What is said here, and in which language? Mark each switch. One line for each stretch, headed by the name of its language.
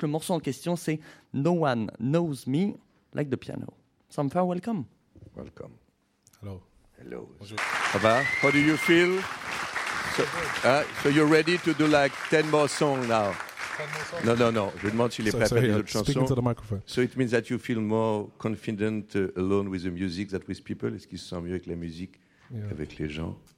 French: Le morceau en question, c'est
English: No One Knows Me Like the Piano.
French: Sampha, welcome.
English: Welcome. Hello. Hello.
French: Bonjour.
English: How about? How do you feel? So you're ready to do like 10 more songs now? 10 more songs?
French: No. Je lui demande s'il est prêt à faire d'autres chansons.
English: Speaking to the microphone. So it means that you feel more confident alone with the music than with people?
French: Est-ce qu'il se sent mieux avec la musique, yeah, avec les gens?